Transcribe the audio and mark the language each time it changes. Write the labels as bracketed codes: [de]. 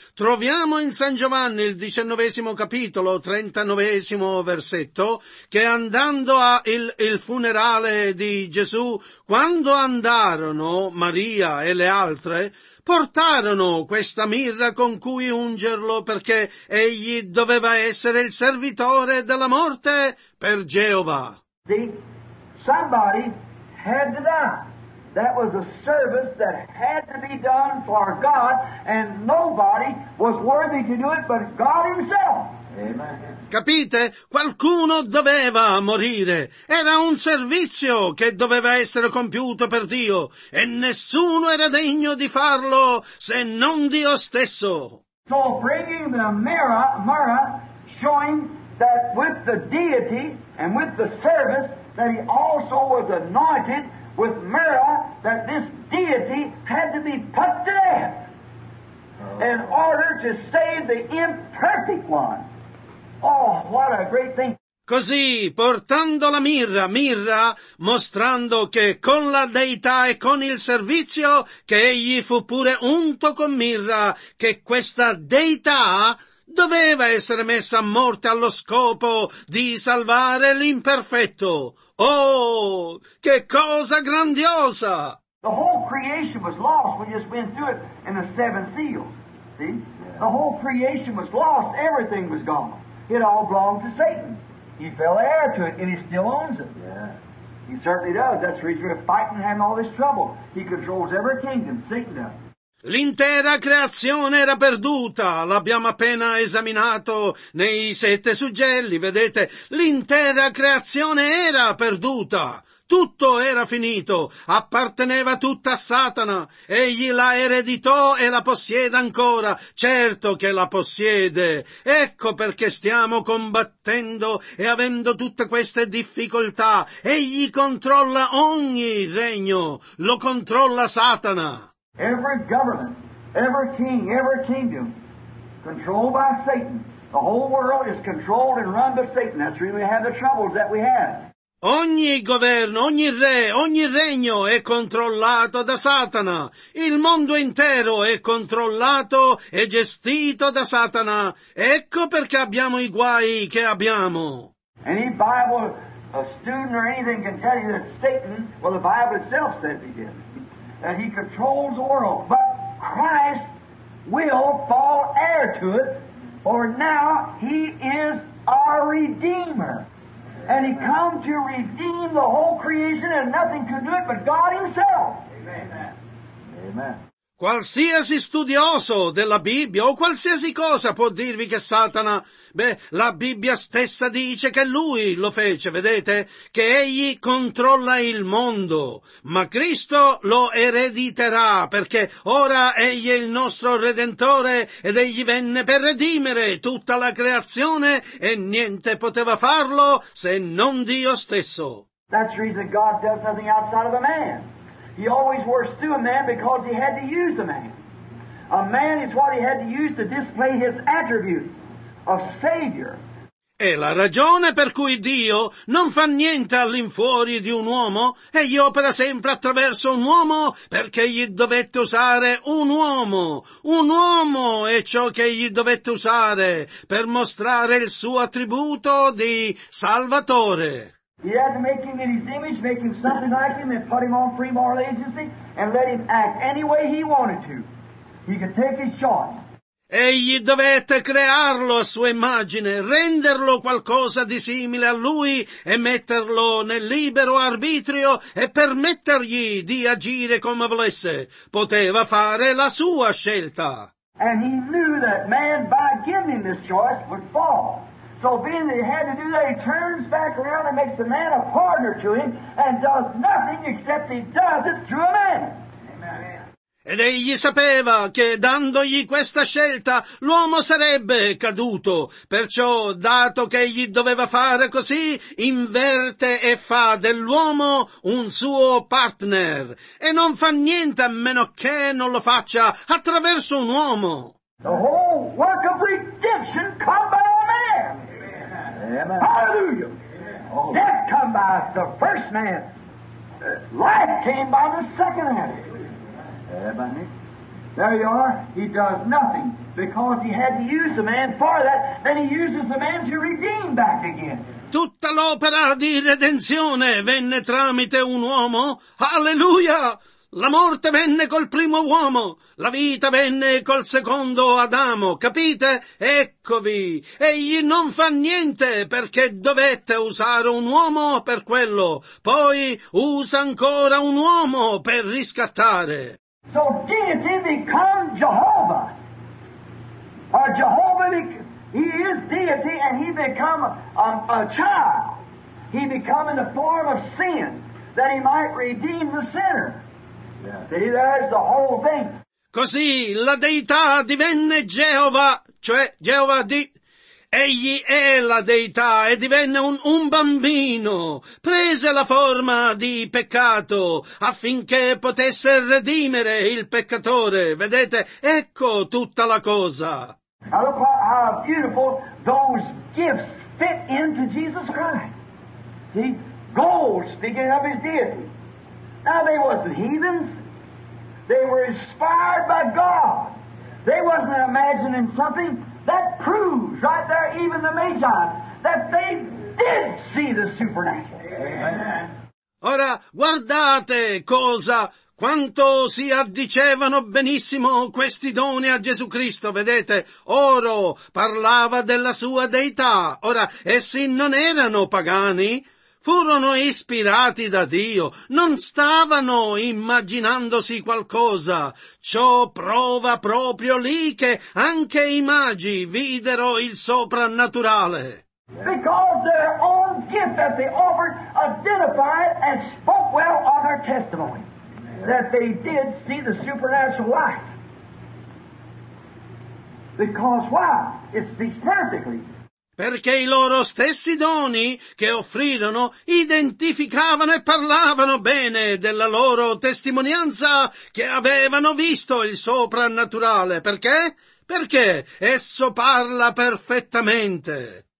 [it] Troviamo in San Giovanni, il 19 capitolo, 39 versetto, che andando a il funerale di Gesù, quando andarono Maria e le altre, portarono questa mirra con cui ungerlo, perché egli doveva essere il servitore della morte per Geova. Sì. [en] Somebody had to die. That was a service that had to be done for God, and nobody was worthy to do it but God himself. Amen. [it] Capite? Qualcuno doveva morire. Era un servizio che doveva essere compiuto per Dio, e nessuno era degno di farlo se non Dio stesso. [en] So bringing the mirror, showing that with the deity and with the service, that he also was anointed with myrrh, that this deity had to be put to death in order to save the imperfect one. Oh, what a great thing. Così, portando la mirra, mostrando che con la deità e con il servizio, che egli fu pure unto con mirra, che questa deità doveva essere messa a morte allo scopo di salvare l'imperfetto. Oh, che cosa grandiosa! The whole creation was lost. We just went through it in the seven seals. See? The whole creation was lost. Everything was gone. It all belonged to Satan. He fell heir to it, and he still owns it. Yeah. He certainly does. That's the reason we're fighting and having all this trouble. He controls every kingdom, Satan does. [it] L'intera creazione era perduta, l'abbiamo appena esaminato nei sette suggelli, vedete? L'intera creazione era perduta, tutto era finito, apparteneva tutta a Satana, egli la ereditò e la possiede ancora, certo che la possiede. Ecco perché stiamo combattendo e avendo tutte queste difficoltà, egli controlla ogni regno, lo controlla Satana. [en] Every government, every king, every kingdom, controlled by Satan. The whole world is controlled and run by Satan. That's really how the troubles that we have. [it] Ogni governo, ogni re, ogni regno è controllato da Satana. Il mondo intero è controllato e gestito da Satana. Ecco perché abbiamo i guai che abbiamo. [en] Any Bible, a student or anything can tell you that Satan, well, the Bible itself said he did. That he controls the world, but Christ will fall heir to it, for now he is our Redeemer. And he come to redeem the whole creation, and nothing can do it but God himself. Amen. Amen. [it] Qualsiasi studioso della Bibbia o qualsiasi cosa può dirvi che Satana, beh, la Bibbia stessa dice che lui lo fece, vedete? Che egli controlla il mondo, ma Cristo lo erediterà, perché ora egli è il nostro Redentore ed egli venne per redimere tutta la creazione e niente poteva farlo se non Dio stesso. [en] That's the reason God does nothing outside of a man. He always works through a man because he had to use a man. A man is what he had to use to display his attribute of Savior. [it] E la ragione per cui Dio non fa niente all'infuori di un uomo, egli opera sempre attraverso un uomo, perché gli dovette usare un uomo. Un uomo è ciò che gli dovette usare per mostrare il suo attributo di Salvatore. [en] He had to make him in his image, make him something like him, and put him on free moral agency, and let him act any way he wanted to. He could take his choice. [it] Egli dovette crearlo a sua immagine, renderlo qualcosa di simile a lui e metterlo nel libero arbitrio e permettergli di agire come volesse. Poteva fare la sua scelta. [en] And he knew that man, by giving him this choice, would fall. So being that he had to do that, he turns back around and makes the man a partner to him and does nothing except he does it through a man. [it] Ed egli sapeva che dandogli questa scelta l'uomo sarebbe caduto, perciò dato che egli doveva fare così, inverte e fa dell'uomo un suo partner, e non fa niente a meno che non lo faccia attraverso un uomo. [en] The whole work of redemption come by a man. Amen. Amen. Hallelujah. Amen. Death come by the first man. Life came by the second man. There you are. He does nothing because he had to use the man for that, then he uses the man to redeem back again. [it] Tutta l'opera di redenzione venne tramite un uomo. Alleluia! La morte venne col primo uomo, la vita venne col secondo Adamo, capite? Eccovi, egli non fa niente perché dovette usare un uomo per quello, poi usa ancora un uomo per riscattare. [en] So deity becomes Jehovah. Or Jehovah, he is deity and he become a child. He become in the form of sin that he might redeem the sinner. See, that's the whole thing. [it] Così la deità divenne Geova, cioè Geova di... Egli è la deità e divenne un bambino, prese la forma di peccato affinché potesse redimere il peccatore. Vedete, ecco tutta la cosa. [en] Now look how beautiful those gifts fit into Jesus Christ. See, gold speaking of his deity. Now they wasn't heathens. They were inspired by God. They wasn't imagining something. That proves right there, even the Magi, that they did see the supernatural. Amen. [it] Ora guardate cosa, quanto si addicevano benissimo questi doni a Gesù Cristo, vedete? Oro parlava della sua deità. Ora, essi non erano pagani? Furono ispirati da Dio, non stavano immaginandosi qualcosa. Ciò prova proprio lì che anche i magi videro il soprannaturale. Because their own gift that they offered identified and spoke well of their testimony. That they did see the supernatural life. Because why? It speaks perfectly. Perché i loro stessi doni che offrirono identificavano e parlavano bene della loro testimonianza che avevano visto il soprannaturale. Perché? Perché esso parla perfettamente.